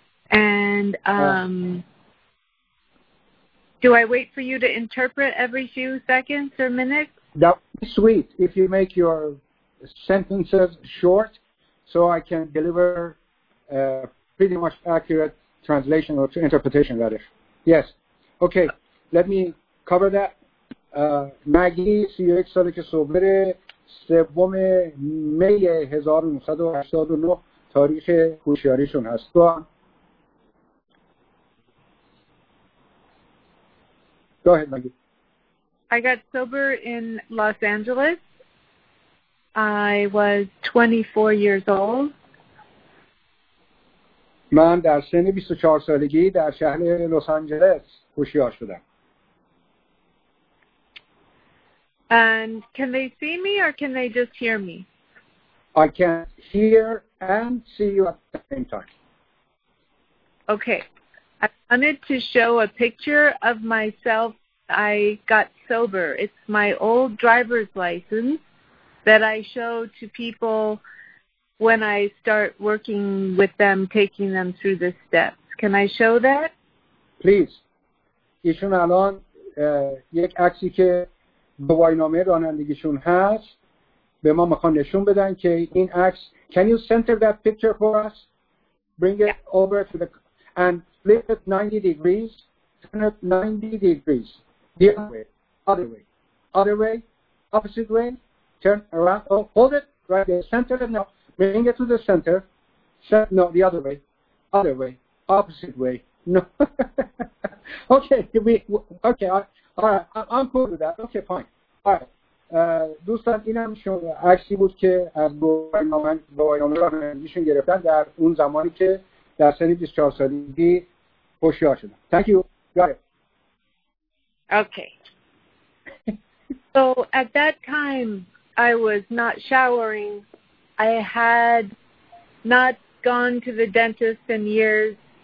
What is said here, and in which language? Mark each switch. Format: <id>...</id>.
<en>And do I wait for you to interpret every few seconds or minutes? That would be sweet if you make your sentences short so I can deliver a pretty much accurate translation or interpretation, rather. Yes. Okay. Let me cover that.</en> <fa>Maggie, 31 ساله که صبره، 3 می 1989 تاریخ هوشیاریشون هست.</fa> <en>Go ahead, Maggie. I got sober in Los Angeles. I was 24 years old.</en> <fa>من در سن 24 سالگی در شهر لس آنجلس هوشیار شدم.</fa> <en>And can they see me or can they just hear me? I can hear and see you at the same time. Okay. I wanted to show a picture of myself. I got sober. It's my old driver's license that I show to people when I start working with them, taking them through the steps. Can I show that? Please.</en> <fa>ایشون الان یک عکسی که گواهینامه رانندگیشون هست به ما میخوان نشون بدن که این عکس.</fa> <en>Can you center that picture for us? Bring it over to the and flip it 90 degrees. Turn it 90 degrees. The other way. Other way. Other way. Opposite way. Turn around. Oh, hold it right there. Center it now. Bring it to the center. No, the other way. Other way. Opposite way. No. Okay, I'm cool with that. Okay, fine. All right.</en> <fa>دوستان اینم شما عکسی بود که از گواهینامه رانندگیشون گرفتن در اون زمانی که در سن 24 سالگی هوشیار شدن.</fa> <en>Thank you. Got it. Okay. So at that time, I was not showering. I had not gone to the dentist in years.</en>